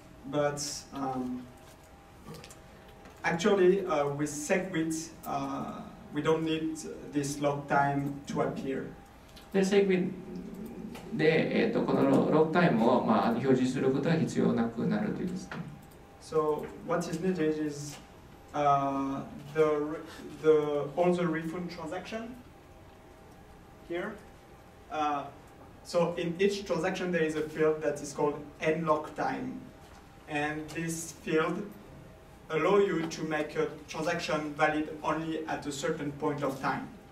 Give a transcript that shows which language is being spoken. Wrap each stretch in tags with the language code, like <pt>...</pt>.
<en>But, actually, with SegWit, we don't need this lock time to appear.</en> <ja>で、SegWit で、このロックタイムを、表示することは必要なくなるというですね。</ja> <en>So, what is needed is,the all the refund transaction here. So in each transaction there is a field that is called nlock time, and this field allow you to make a transaction valid only at a certain point of time.</en>